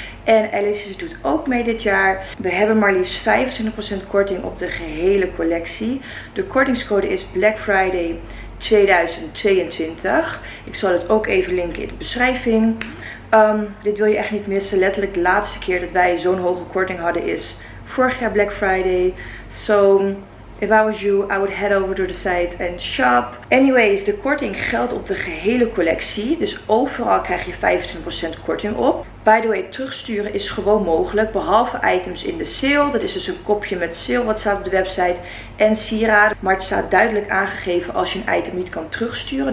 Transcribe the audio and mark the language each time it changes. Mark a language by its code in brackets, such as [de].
[nl] En Alice's doet ook mee dit jaar. We hebben maar liefst 25% korting op de gehele collectie. De kortingscode is Black Friday 2022. Ik zal het ook even linken in de beschrijving. Dit wil je echt niet missen. Letterlijk de laatste keer dat wij zo'n hoge korting hadden is vorig jaar Black Friday. [en] So, if I was you, I would head over to the site and shop. [nl] Anyways, de korting geldt op de gehele collectie. Dus overal krijg je 25% korting op. [en] By the way, [nl] terugsturen is gewoon mogelijk. Behalve items in de sale. Dat is dus een kopje met sale wat staat op de website. En sieraden. Maar het staat duidelijk aangegeven als je een item niet kan terugsturen.